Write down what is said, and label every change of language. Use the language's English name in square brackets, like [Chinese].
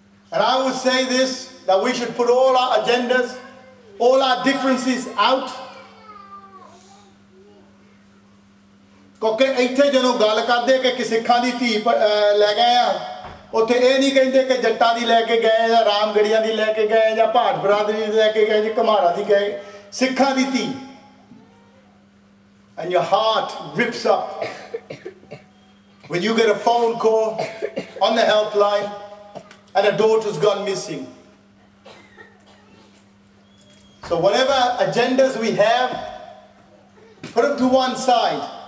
[English] And I would say this, that we should put all our agendas, all our differences out. [Punjabi] ਕਿਉਂਕਿ ਇੱਥੇ ਜਦੋਂ ਗੱਲ ਕਰਦੇ ਕਿ ਸਿੱਖਾਂ ਦੀ ਧੀ ਲੈ ਗਏ ਆ, ਉੱਥੇ ਇਹ ਨਹੀਂ ਕਹਿੰਦੇ ਕਿ ਜੱਟਾਂ ਦੀ ਲੈ ਕੇ ਗਏ ਜਾਂ ਰਾਮਗੜੀਆਂ ਦੀ ਲੈ ਕੇ ਗਏ ਜਾਂ ਭਾਟ ਬਰਾਦਰੀ ਦੀ ਲੈ ਕੇ ਗਏ ਜਾਂ ਘੁਮਾਰਾ ਦੀ ਗਏ, ਸਿੱਖਾਂ ਦੀ ਧੀ. [English] And your heart rips up when you get a phone call on the helpline and a daughter's gone missing. So whatever agendas we have, put them to one side.